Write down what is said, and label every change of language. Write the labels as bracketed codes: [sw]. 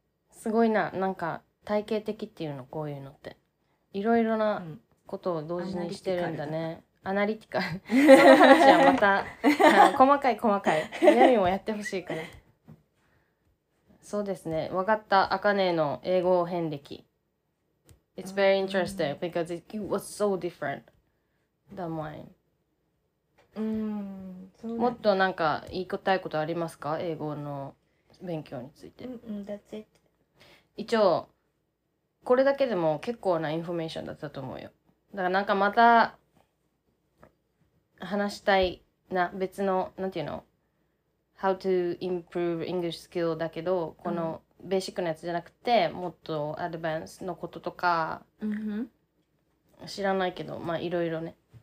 [ja] すごいな、なんか体系的っていうの、こういうのっていろいろなことを同時にしてるんだね、アナリティカルその話はまた細かい細かい闇もやってほしいからそうですね、わかった、アカネの英語遍歴。 [en] It's very interesting because it was so differentだもん。うん、 [ja] そうね。もっとなんか言いたいことありますか、英語の勉強について。 [en] うん、that's it。 [ja] 一応これだけでも結構なインフォメーションだったと思うよ。だからなんかまた話したいな、別のなんていうの、 [en] How to improve English skill [ja] だけど、このベーシックなやつじゃなくて、もっとアドバンスのこととか、知らないけど、まあいろいろね。